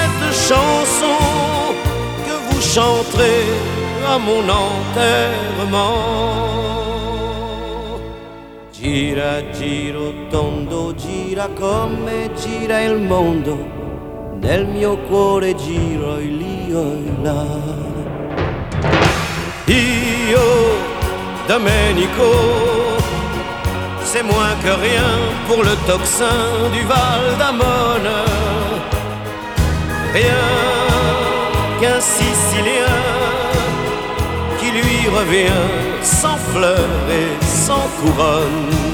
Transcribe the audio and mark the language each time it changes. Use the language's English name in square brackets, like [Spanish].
[French] Chanson que vous chanterez à mon enterrement. [Italian] Gira, giro tondo, gira come gira il mondo, nel mio cuore giro e lì e là. [French] Io, Domenico, c'est moins que rien pour le tocsin du Val d'Amone. Rien qu'un Sicilien qui lui revient sans fleurs et sans couronne.